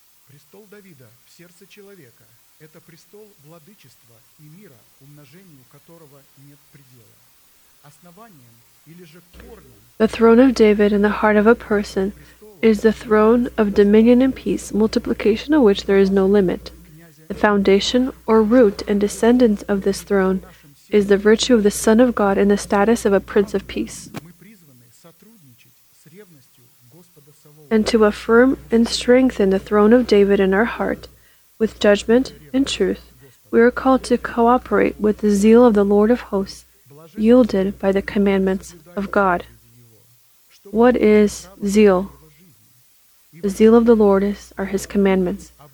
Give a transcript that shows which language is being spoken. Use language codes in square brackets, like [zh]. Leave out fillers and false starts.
[ru] Престол Давида в сердце человека. Это престол владычества и мира, умножению которого нет предела. Основанием или же корнем. [en] The throne of David in the heart of a person is the throne of dominion and peace, multiplication of which there is no limit. The foundation or root and descendant of this throne is the virtue of the Son of God in the status of a Prince of Peace. [ru] Мы призваны сотрудничать с ревностью Господа Саваофа. [en] And to affirm and strengthen the throne of David in our heart with judgment and truth, we are called to cooperate with the zeal of the Lord of hosts, yielded by the commandments of God. What is zeal? The zeal of the Lord is, are his commandments.